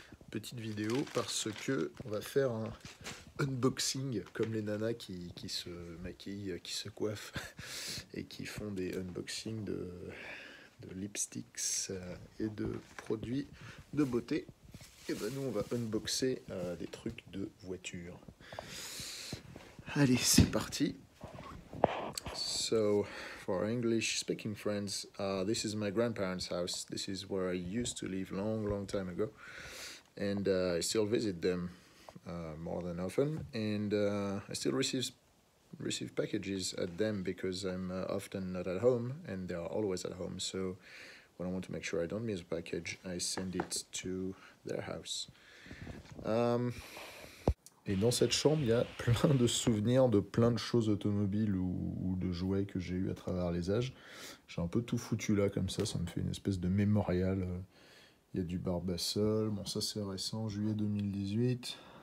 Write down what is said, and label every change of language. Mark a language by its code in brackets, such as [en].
[fr] Petite vidéo, parce que on va faire un unboxing, comme les nanas qui se maquillent, qui se coiffent et qui font des unboxings de lipsticks et de produits de beauté. Et ben nous, on va unboxer des trucs de voiture. Allez, c'est parti. [en] So, for English speaking friends, this is my grandparents' house. This is where I used to live long, long time ago. And I still visit them. More than often, and I still receive packages at them because I'm often not at home, and they are always at home. So when I want to make sure I don't miss a package, I send it to their house. [fr] Et dans cette chambre, il y a plein de souvenirs de plein de choses automobiles ou de jouets que j'ai eu à travers les âges. J'ai un peu tout foutu là comme ça me fait une espèce de mémorial. Il y a du Barbasol, bon ça c'est récent, juillet 2018.